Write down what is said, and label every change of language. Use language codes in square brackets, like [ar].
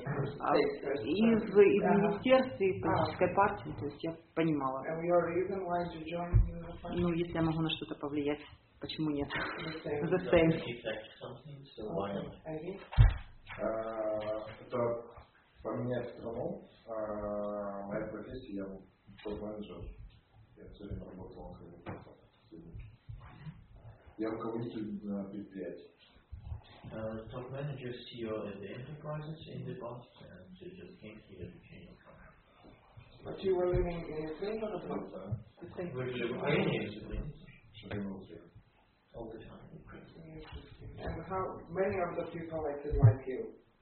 [ru] Из министерства и политической партии, то есть я понимала. [en] And your reason why you joined the party? [ru] Ну, если я могу на что-то повлиять, почему нет? [en] The same. [ru] Это поменять страну. Моя профессия, я топ-менеджер. Я все время работал на я руководитель на предприятии. [en] Top manager CEO at the enterprises in the past, and they just came here to change your company. But you were living in Ukraine or the same? The same. Were you in Ukraine? In Ukraine. All the time in Ukraine. And how many of the people acted like you?